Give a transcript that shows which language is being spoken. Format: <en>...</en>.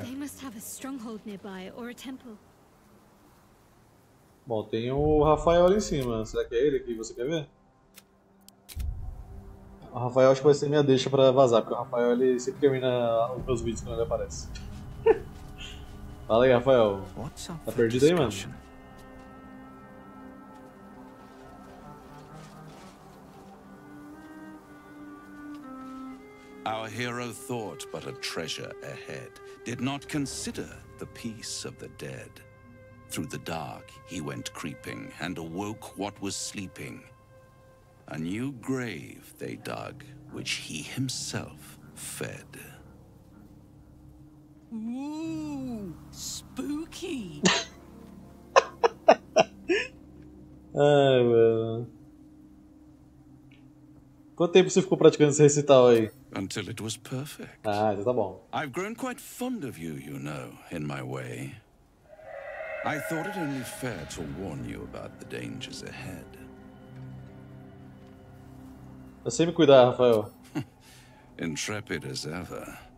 <en>They must have a stronghold nearby or a temple.</en> <pt>Bom, tem o Rafael ali em cima. Será que é ele que você quer ver? O Rafael acho que vai ser minha deixa pra vazar, porque o Rafael ele sempre termina os meus vídeos quando ele aparece. Fala aí, Rafael. Tá perdido aí, mano?</pt> <en>Our hero thought but a treasure ahead. Did not consider the peace of the dead. Through the dark, he went creeping and awoke what was sleeping. A new grave they dug, which he himself fed. Ooh, spooky!</en> <pt>Ai, mano. Quanto tempo você ficou praticando esse recital aí?</pt> <en>Until it was perfect.</en> <pt>Ah, então tá bom.</pt> <en>I've grown quite fond of you, you know, in my way. I thought it only fair to warn you about the dangers ahead.</en> <pt>Eu sei me cuidar, Rafael.</pt> <en>Intrepid as ever.</en>